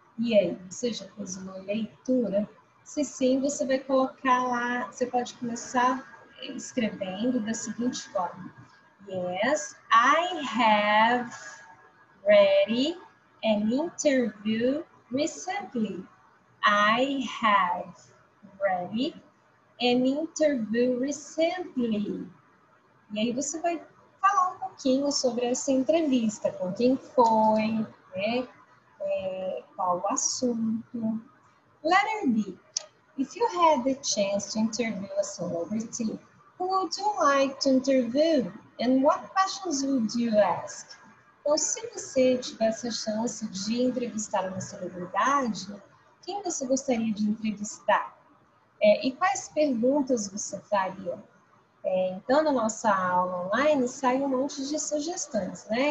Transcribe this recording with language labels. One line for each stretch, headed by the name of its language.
Portuguese: E aí, você já fez uma leitura? Se sim, você vai colocar lá, você pode começar escrevendo da seguinte forma:
English: Yes, I have read an interview recently. I have read an interview recently.
Portuguese: E aí, você vai falar um pouquinho sobre essa entrevista, com quem foi, né? Qual o assunto?
English: Letter B. If you had the chance to interview a celebrity, who would you like to interview? And what questions would you ask?
Portuguese: Então, se você tivesse a chance de entrevistar uma celebridade, quem você gostaria de entrevistar? E quais perguntas você faria? Então, na nossa aula online, sai um monte de sugestões, né?